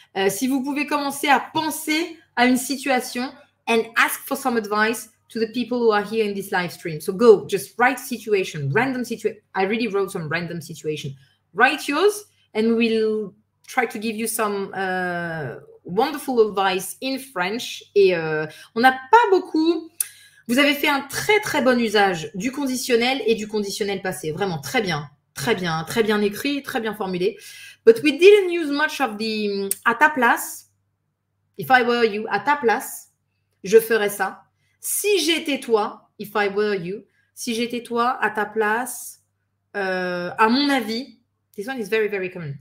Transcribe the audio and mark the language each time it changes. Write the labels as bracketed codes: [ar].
[fr] Si vous pouvez commencer à penser à une situation [en] and ask for some advice to the people who are here in this live stream. So go, just write situation, random situation. I really wrote some random situation. Write yours and we'll try to give you some wonderful advice in French. [fr] Et on n'a pas beaucoup... Vous avez fait un très, très bon usage du conditionnel et du conditionnel passé. Vraiment très bien, très bien, très bien écrit, très bien formulé. [en] But we didn't use much of the [fr] à ta place. [en] If I were you, [fr] à ta place, je ferais ça. Si j'étais toi, [en] if I were you, [fr] si j'étais toi, à ta place, à mon avis, [en] this one is very, very common.